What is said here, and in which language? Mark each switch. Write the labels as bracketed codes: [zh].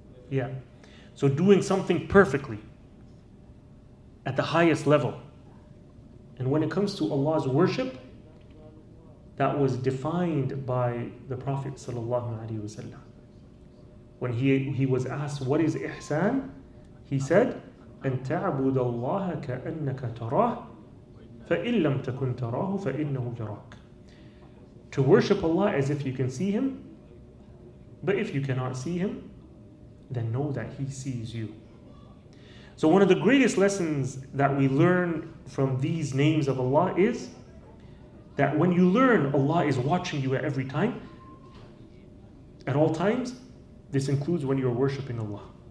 [en] Yeah, so doing something perfectly at the highest level. And when it comes to Allah's worship, that was defined by the Prophet sallallahu alaihi wasallam. When he was asked, what is ihsan? He said, [ar] أَن تَعْبُدَ اللَّهَ كَأَنَّكَ تَرَاهُ فَإِن لَمْ تَكُنْ تَرَاهُ فَإِنَّهُ يَرَاكُ. [en] To worship Allah as if you can see Him, but if you cannot see Him, then know that He sees you. So one of the greatest lessons that we learn from these names of Allah is that when you learn Allah is watching you at every time, at all times, this includes when you're worshiping Allah.